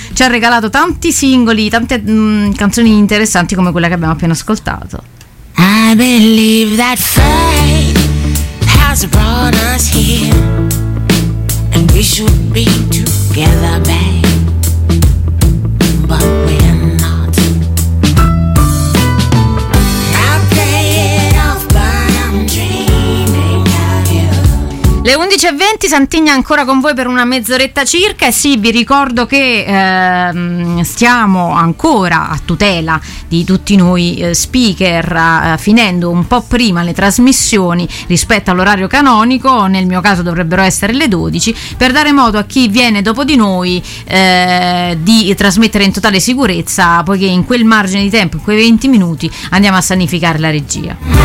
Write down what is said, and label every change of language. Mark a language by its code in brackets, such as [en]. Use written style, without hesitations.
[it] Ci ha regalato tanti singoli, tante canzoni interessanti come quella che abbiamo appena ascoltato. [en] I believe that fate has brought us here, and we should be together, babe. But we're not. I'll play it off, but I'm dreaming of you. [it] Le 11:20, Santigna ancora con voi per una mezz'oretta circa. E sì, vi ricordo che stiamo ancora a tutela di tutti noi speaker, finendo un po' prima le trasmissioni rispetto all'orario canonico, nel mio caso dovrebbero essere le 12, per dare modo a chi viene dopo di noi di trasmettere in totale sicurezza, poiché in quel margine di tempo, in quei 20 minuti, andiamo a sanificare la regia.